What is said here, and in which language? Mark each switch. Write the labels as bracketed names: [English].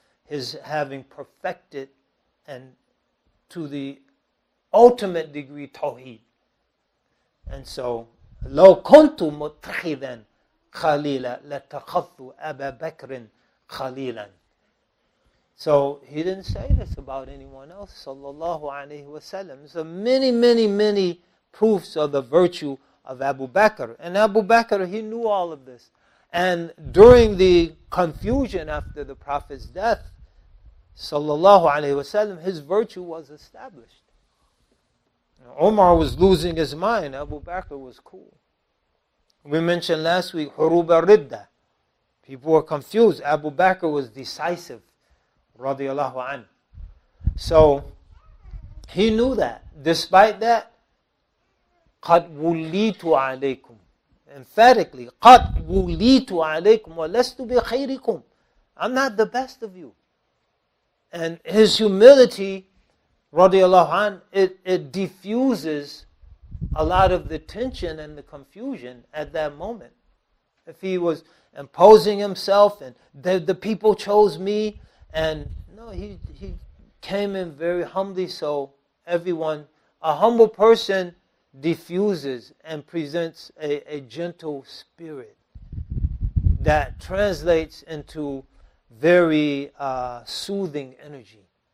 [English] his having perfected and to the ultimate degree tawheed. And so [Arabic] لو كنت متخذا خليلا لاتخذت أبا بكر خليلا. [English] So he didn't say this about anyone else, sallallahu alayhi wa sallam. So many, many, many proofs of the virtue of Abu Bakr. And Abu Bakr, he knew all of this. And during the confusion after the Prophet's death, sallallahu alayhi wa sallam, his virtue was established. Umar was losing his mind, Abu Bakr was cool. We mentioned last week, Hurub al-Ridda. People were confused. Abu Bakr was decisive, radiallahu anhu. So, he knew that. Despite that, [Arabic] قَدْ وُلِّيتُ عَلَيْكُمْ. [English] Emphatically, [Arabic] قَدْ وُلِّيتُ عَلَيْكُمْ وَلَسْتُ بِخَيْرِكُمْ. [English] I'm not the best of you. And his humility, radiallahu anhu, it diffuses a lot of the tension and the confusion at that moment. If he was imposing himself and the people chose me, and no, he came in very humbly, so everyone, a humble person diffuses and presents a gentle spirit that translates into very soothing energy.